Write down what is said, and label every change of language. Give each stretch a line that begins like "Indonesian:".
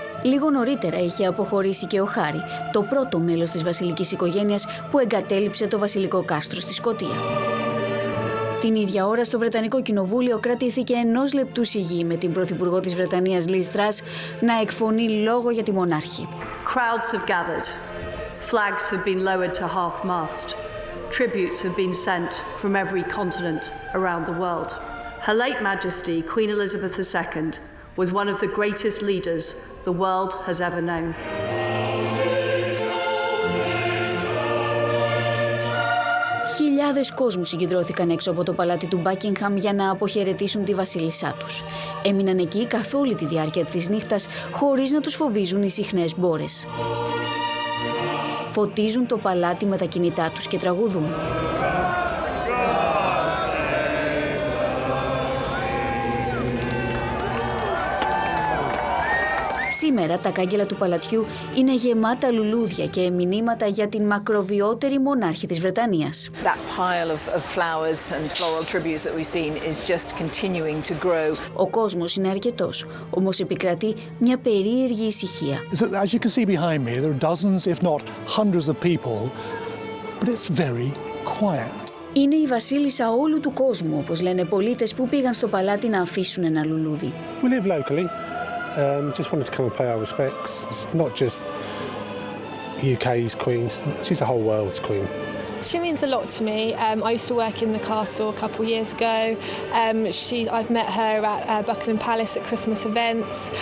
Greek: Λίγο νωρίτερα είχε αποχωρήσει και ο Χάρη, το πρώτο μέλος της βασιλικής οικογένειας που εγκατέλειψε το βασιλικό κάστρο στη Σκωτία. Την ίδια ώρα στο Βρετανικό Κοινοβούλιο κρατήθηκε ενός λεπτού σιγή με την Πρωθυπουργό της Βρετανίας Λις Τρας να εκφωνεί λόγο για τη μονάρχη.
English: Crowds have gathered. Flags have been lowered to half mast. Tributes have been sent from every continent around the world. Her late Majesty Queen Elizabeth II was one of the greatest leaders the world has ever known.
Greek: Χιλιάδες κόσμου συγκεντρώθηκαν έξω από το παλάτι του Buckingham για να αποχαιρετήσουν τη βασίλισσά τους. Έμειναν εκεί καθ' όλη τη διάρκεια της νύχτας, χωρίς να τους φοβίζουν οι συχνές μπόρες. Φωτίζουν το παλάτι με τα κινητά τους και τραγουδούν. Σήμερα τα κάγκελα του παλατιού είναι γεμάτα λουλούδια και μηνύματα για την μακροβιότερη μονάρχη της Βρετανίας.
English: That pile of flowers and floral tributes that we've seen is just continuing to grow.
Greek: Ο κόσμος είναι αρκετός, όμως επικρατεί μια περίεργη ησυχία.
English: So, as you can see behind me, there are dozens, if not hundreds of people, but it's very quiet.
Greek: Είναι η βασίλισσα όλου του κόσμου, όπως λένε πολίτες που πήγαν στο παλάτι να αφήσουν ένα λουλούδι.
English: We live locally. Just wanted to come and pay our respects. It's not just UK's queen; she's the whole world's queen. She means a lot to me. I used to work in the castle a couple years ago. I've met her at Buckingham Palace at Christmas events.